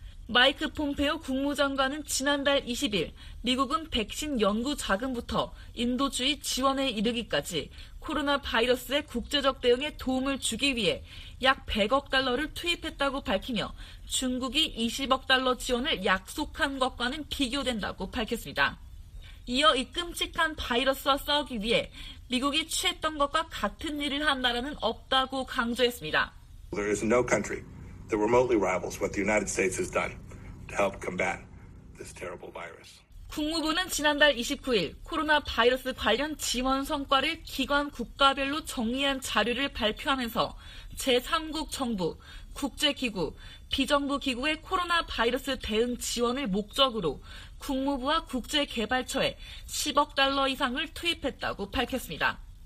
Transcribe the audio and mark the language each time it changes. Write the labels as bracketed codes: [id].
[ko] 마이크 폼페오 국무장관은 지난달 20일 미국은 백신 연구 자금부터 인도주의 지원에 이르기까지 코로나 바이러스의 국제적 대응에 도움을 주기 위해 약 100억 달러를 투입했다고 밝히며 중국이 20억 달러 지원을 약속한 것과는 비교된다고 밝혔습니다. 이어 이 끔찍한 바이러스와 싸우기 위해 미국이 취했던 것과 같은 일을 한 나라는 없다고 강조했습니다. [en] There is no country that remotely rivals what the United States has done to help combat this terrible virus. [ko] 국무부는 지난달 29일 코로나 바이러스 관련 지원 성과를 기관 국가별로 정리한 자료를 발표하면서 제3국 정부, 국제기구, 비정부기구의 코로나 바이러스 대응 지원을 목적으로 국무부와 국제개발처에 10억 달러 이상을 투입했다고 밝혔습니다.